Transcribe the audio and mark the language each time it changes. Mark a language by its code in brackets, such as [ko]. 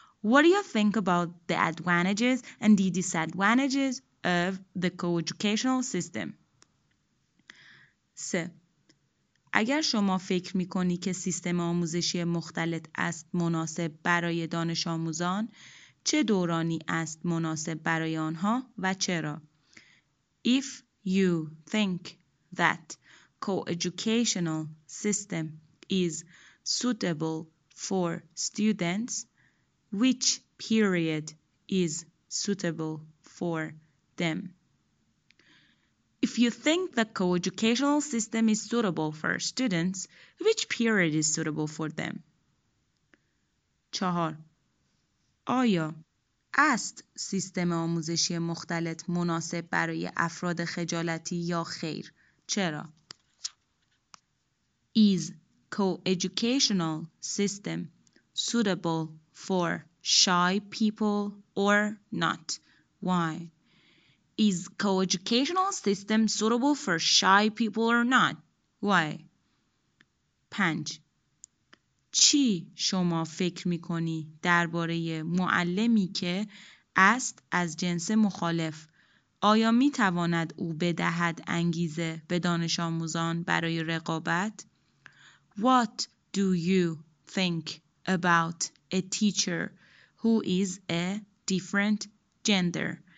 [en] What do you think about the advantages and the disadvantages of the co-educational system? 3. [fa] اگر شما فکر می‌کنی که سیستم آموزشی مختلط است مناسب برای دانش آموزان، چه دورانی است مناسب برای آنها و چرا؟ [en] If you think that co-educational system is suitable for students, which period is suitable for them? If you think the co-educational system is suitable for students, which period is suitable for them? 4. [fa] آیا است سیستم آموزشی مختلط مناسب برای افراد خجالتی یا خیر؟ چرا؟ [en] Is co-educational system suitable for shy people or not? Why? Is co-educational system suitable for shy people or not? Why? 5. [fa] چی شما فکر می‌کنی درباره معلمی که است از جنس مخالف؟ آیا می‌تواند او بدهد انگیزه به دانش آموزان برای رقابت؟ [en] What do you think about a teacher who is a different gender?